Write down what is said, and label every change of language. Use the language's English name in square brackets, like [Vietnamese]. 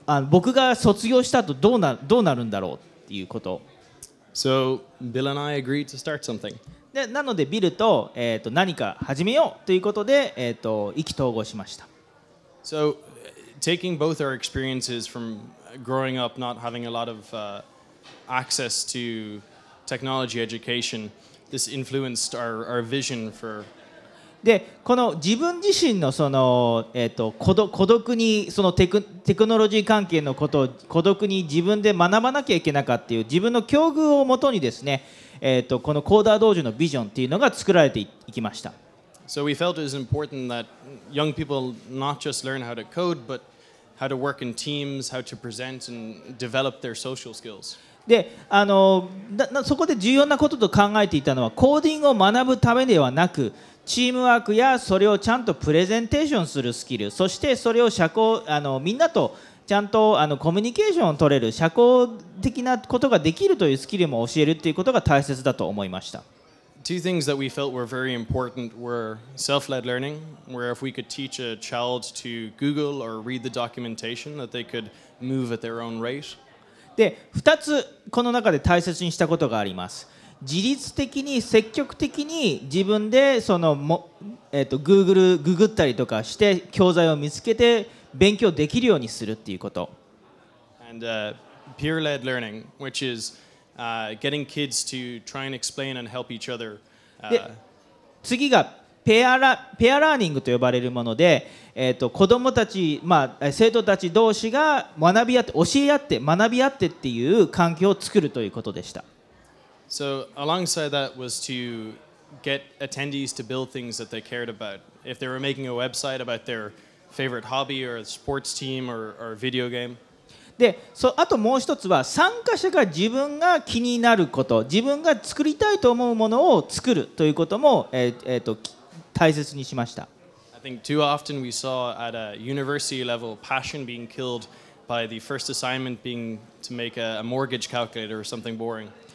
[Japanese] 僕が卒業した後どうなるんだろうっていうこと。 [English] So Bill and I agreed to start something. [Japanese] で、なのでビル と,、何か始めようということで、意気投合しました。 [English] So, taking both our experiences from growing up not having a lot of, access to technology education, this influenced our vision for [Japanese] で、この自分自身のその、孤独にそのテクノロジー関係のことを孤独に自分で学ばなきゃいけなかっていう自分の境遇をもとにですね、このコーダー道場のビジョンっていうのが作られていきました。 [English] So we felt it was important that young people not just learn how to code, but how to work in teams, how to present and develop their social skills. [Japanese] で、そこで重要なことと考えていたのは、コーディングを学ぶためではなく、チームワークやそれをちゃんとプレゼンテーションするスキル、そしてそれを社交、みんなとちゃんとコミュニケーションを取れる、社交的なことができるというスキルも教えるということが大切だと思いました。 [English] Two things that we felt were very important were self-led learning, where if we could teach a child to Google or read the documentation, that they could move at their own rate. [Japanese] で、2つこの中で大切にしたことがあります。自律的に積極的に自分でその Google ググったりとかして教材を見つけて勉強できるようにするっていうこと。 [English] And peer-led learning, which is getting kids to try and explain and help each other. [Japanese] 次がペアラーニングと呼ばれるもので、子どもたち、まあ、生徒たち同士が学び合って、教え合って、学び合ってっていう環境を作るということでした。 [English] So, alongside that was to get attendees to build things that they cared about. If they were making a website about their favorite hobby or sports team or video game. [Japanese] で、あともう一つは参加者が自分が気になること、自分が作りたいと思うものを作るということも、大切にしました。 [English] I think too often we saw at a university level passion being killed by the first assignment being to make a mortgage calculator or something boring.